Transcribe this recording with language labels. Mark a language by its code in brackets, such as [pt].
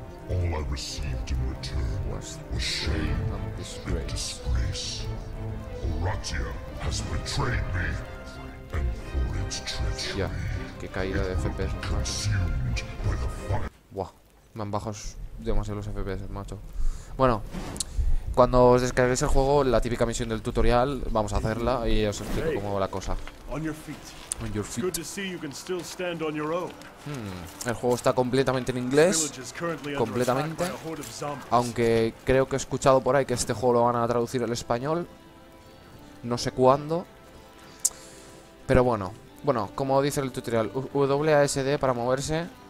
[en] All I received in return was shame and disgrace. Oratia has betrayed me, and for its treachery, [es] qué caída de FPS, buah, me han bajado demasiado los FPS, macho. Bueno, cuando os descarguéis el juego, la típica misión del tutorial, vamos a hacerla y os explico cómo va la cosa. [en] On your feet. Good to see you can still stand on your own. [es] El juego está completamente en inglés, completamente. Aunque creo que he escuchado por ahí que este juego lo van a traducir al español. No sé cuándo. Pero bueno, bueno, como dice el tutorial, WASD para moverse.